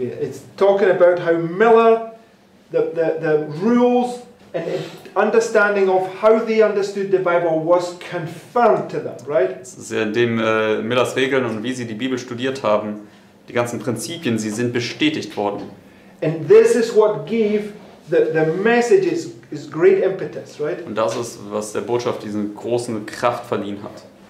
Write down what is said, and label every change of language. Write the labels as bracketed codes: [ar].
[en] It's talking about how Miller, the rules and understanding of how they understood the Bible was confirmed to them, right? [de] Indem Millers Regeln und wie sie die Bibel studiert haben, die ganzen Prinzipien, sie sind bestätigt worden. [en] And this is what gave the message is is great impetus, right? [de] Und das ist, was der Botschaft diesen großen Kraft verliehen hat.